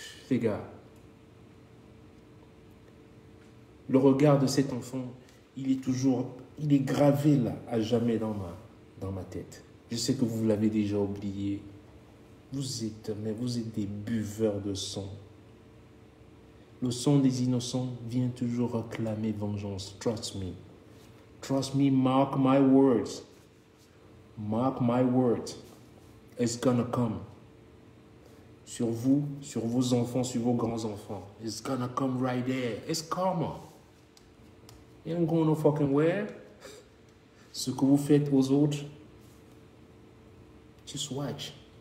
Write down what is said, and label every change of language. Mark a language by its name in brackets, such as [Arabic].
[French] Les gars, le regard de cet enfant, il est toujours, il est gravé là, à jamais dans ma tête. Je sais que vous l'avez déjà oublié. Vous êtes, mais vous êtes des buveurs de sang. Le sang des innocents vient toujours réclamer vengeance. [English] Trust me, mark my words, it's gonna come. [French] Sur vous, sur vos enfants, sur vos grands-enfants. [English] It's gonna come right there. It's karma. You ain't going no fucking where. [French] Ce que vous faites aux autres, [English] just watch.